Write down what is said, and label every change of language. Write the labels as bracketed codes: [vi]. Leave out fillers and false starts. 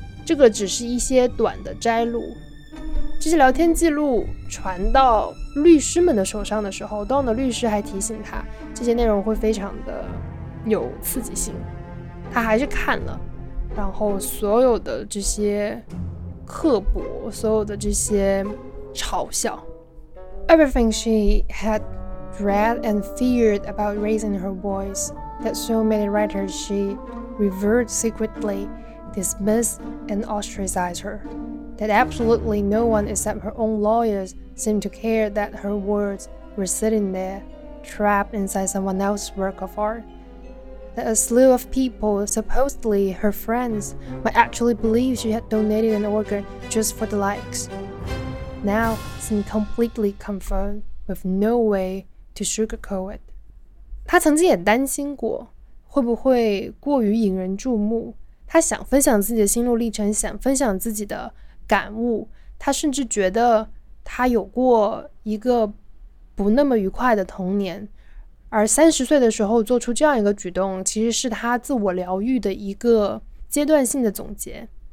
[zh] 这个只是一些短的摘录，这些聊天记录传到律师们的手上的时候， Don 的律师还提醒他这些内容会非常的有刺激性，他还是看了，然后所有的这些刻薄，所有的这些嘲笑。 [en] Everything she had read and feared about raising her voice that so many writers she revered secretly dismissed and ostracized her. That absolutely no one except her own lawyers seemed to care that her words were sitting there, trapped inside someone else's work of art. That a slew of people, supposedly her friends, might actually believe she had donated an organ just for the likes. Now, seem completely confirmed, with no way to sugarcoat it. [zh] 她曾经也担心过，会不会过于引人注目？她想分享自己的心路历程，想分享自己的感悟。她甚至觉得她有过一个不那么愉快的童年。而30岁的时候做出这样一个举动，其实是他自我疗愈的一个阶段性的总结。